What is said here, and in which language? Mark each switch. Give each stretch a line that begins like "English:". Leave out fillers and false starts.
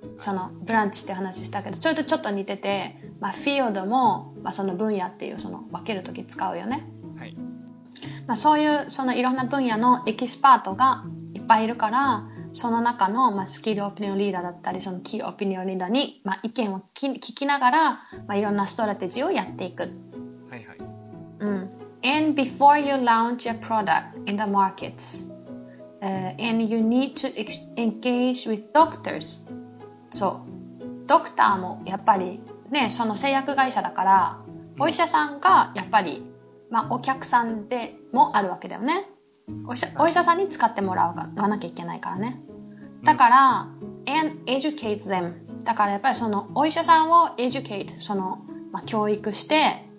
Japanese: そのブランチって話したけど、それとちょっと似てて、まあ、フィールドも、まあ、その分野っていう、その分ける時使うよね。はい。まあ、そういう、そのいろんな分野のエキスパートがいっぱいいるから、その中の、まあ、スキルオピニオンリーダーだったり、そのキーオピニオンリーダーに、まあ、意見を聞きながら、まあ、いろんなストラテジーをやっていく。はいはい。うん。
English: And before you launch your product in the markets, and you need to engage with doctors.
Japanese: そう。ドクターも、やっぱり、ね、その製薬会社だから、お医者さんが、やっぱり、まあ、お客さんでもあるわけだよね。お医者さんに使ってもらわなきゃいけないからね。だから、うん、
English: and educate them.
Japanese: だからやっぱりそのお医者さんを educate、その、まあ、教育して、